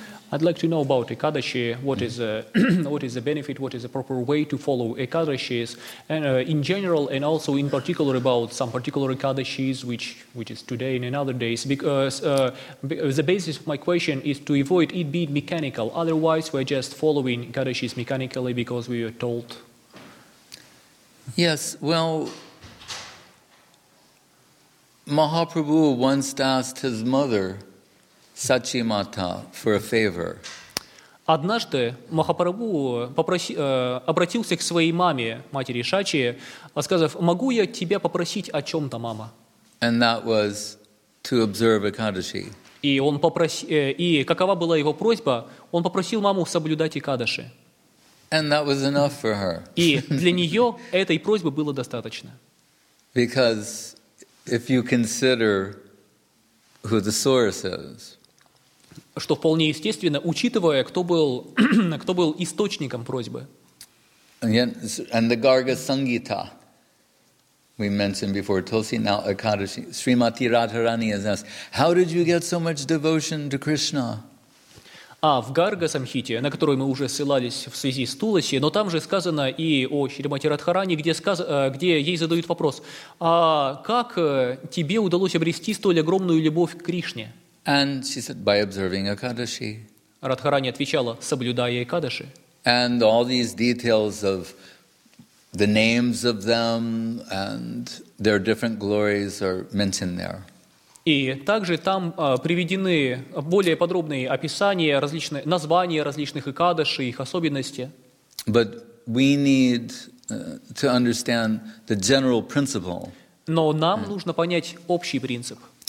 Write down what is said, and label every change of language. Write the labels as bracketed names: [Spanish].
[English] I'd like to know about Ekadashi, what is what is the benefit, what is the proper way to follow Ekadashis and, in general, and also in particular about some particular Ekadashis, which is today and in other days, because the basis of my question is to avoid it being mechanical. Otherwise, we're just following Ekadashis mechanically because we are told. Yes, well, Mahaprabhu once asked his mother, Сачи Мата, for a favor. [Russian] Однажды Махапрабху обратился к своей маме, матери Шачи, сказав, могу я тебя попросить о чем-то, мама? [English] And that was to observe Экадаши. [Russian] И он и какова была его просьба? Он попросил маму соблюдать Экадаши. [English] And that was enough for her. [Russian] И для нее этой просьбы было достаточно. [English] Because if you consider who the source is, [Russian] что вполне естественно, учитывая, кто был источником просьбы. [English] And the Garga Sangita we mentioned before, Tulsi, now Ekadashi, Srimati Radharani has asked, how did you get so much devotion to Krishna? [Russian] А в Гарга Самхите, на которой мы уже ссылались в связи с Туласи, но там же сказано и о Шримати Радхарани, где ей задают вопрос, а как тебе удалось обрести столь огромную любовь к Кришне? [English] And she said, by observing Ekadashi. [Russian] Радхарани отвечала, соблюдая Экадаши. [English] And all these details of the names of them and their different glories are mentioned there. [Russian] И также там приведены более подробные описания, различные названия различных Экадаши, их особенности. [English] But we need to understand the general principle. [Russian] Но нам нужно понять общий принцип.